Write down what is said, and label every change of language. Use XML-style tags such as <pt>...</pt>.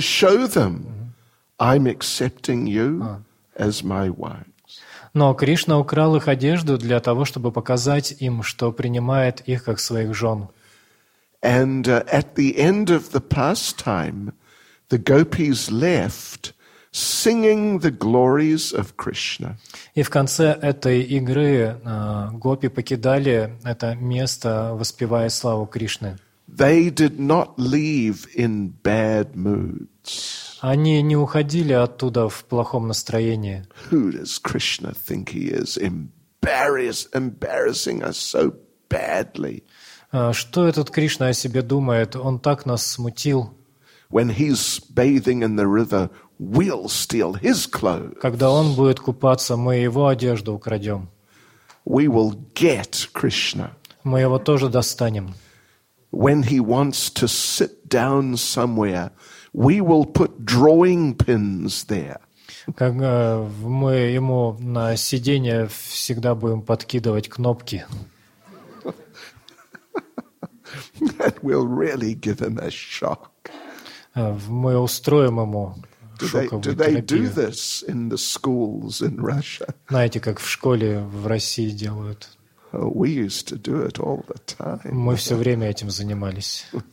<en>show them, I'm accepting you as my wife.</en> <ru>Но Кришна украл их одежду для того, чтобы показать им, что принимает их как своих жен.</ru> <en>And at the end of the pastime, the gopis left, singing the glories of Krishna.</en> <ru>И в конце этой игры гопи покидали это место, воспевая славу Кришны.</ru> <en>They did not leave in bad moods.</en> <ru>Они не уходили оттуда в плохом настроении.</ru> <en>Who does Krishna think he is, embarrassing us so badly?</en> <ru>Что этот Кришна о себе думает? Он так нас смутил.</ru> <en>When he's bathing in the river, we'll steal his clothes.</en> <ru>Когда он будет купаться, мы его одежду украдем.</ru> <en>We will get Krishna.</en> <ru>Мы его тоже достанем.</ru> <en>When he wants to sit down somewhere, we will put drawing pins there.</en> <ru>Как мы ему на сиденье всегда будем подкидывать кнопки.</ru> <en>That will really give him a shock.</en> <ru>Мы устроим ему шоковую</ru> <en>Do they do this in the schools in Russia?</en> <ru>Знаете, как в школе в России делают?</ru> <en>We used to do it all the time.</en> <ru>Мы все время этим занимались.</ru>